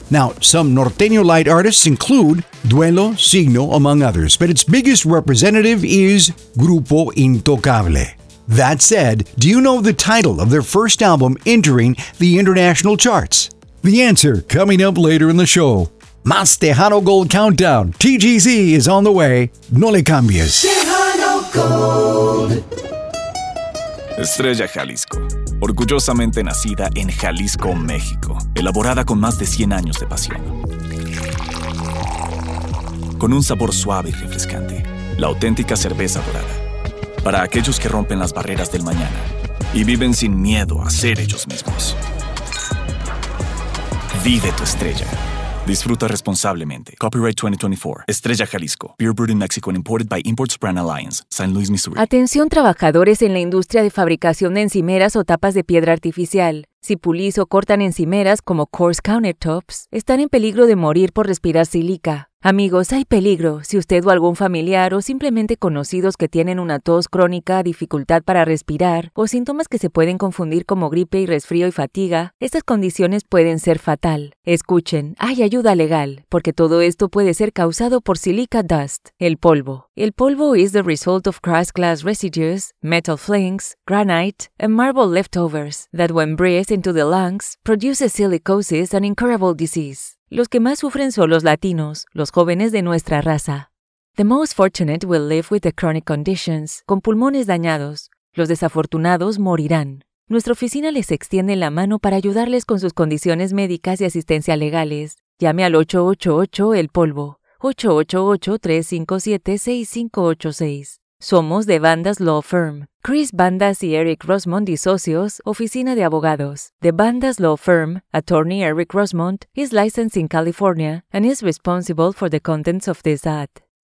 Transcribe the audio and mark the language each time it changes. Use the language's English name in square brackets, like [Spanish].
[English] Now, some Norteño light artists include Duelo, Signo, among others, but its biggest representative is Grupo Intocable. That said, do you know the title of their first album entering the international charts? The answer coming up later in the show. Más Tejano Gold Countdown, TGZ, is on the way. [Spanish] No le cambies. [English] Tejano Gold. [Spanish] Estrella Jalisco, orgullosamente nacida en Jalisco, México, elaborada con más de 100 años de pasión. Con un sabor suave y refrescante, la auténtica cerveza dorada. Para aquellos que rompen las barreras del mañana y viven sin miedo a ser ellos mismos. Vive tu estrella. Disfruta responsablemente. Copyright 2024. Estrella Jalisco. [English] Beer brewed in Mexico and imported by Imports Brand Alliance. [Spanish] San Luis, Missouri. Atención trabajadores en la industria de fabricación de encimeras o tapas de piedra artificial. Si pulís o cortan encimeras como coarse countertops, están en peligro de morir por respirar sílica. Amigos, hay peligro. Si usted o algún familiar o simplemente conocidos que tienen una tos crónica, dificultad para respirar o síntomas que se pueden confundir como gripe y resfrío y fatiga, estas condiciones pueden ser fatal. Escuchen, hay ayuda legal, porque todo esto puede ser causado por silica dust, el polvo. [English] El polvo is the result of crushed glass residues, metal flakes, granite, and marble leftovers that when breathed into the lungs, produces silicosis and incurable disease. [Spanish] Los que más sufren son los latinos, los jóvenes de nuestra raza. [English] The most fortunate will live with the chronic conditions, [Spanish] con pulmones dañados. Los desafortunados morirán. Nuestra oficina les extiende la mano para ayudarles con sus condiciones médicas y asistencia legales. Llame al 888-EL-POLVO, 888-357-6586. Somos de Bandas Law Firm. Chris Bandas y Eric Rosmond y socios, oficina de abogados. [English] The Bandas Law Firm, attorney Eric Rosmond, is licensed in California and is responsible for the contents of this ad.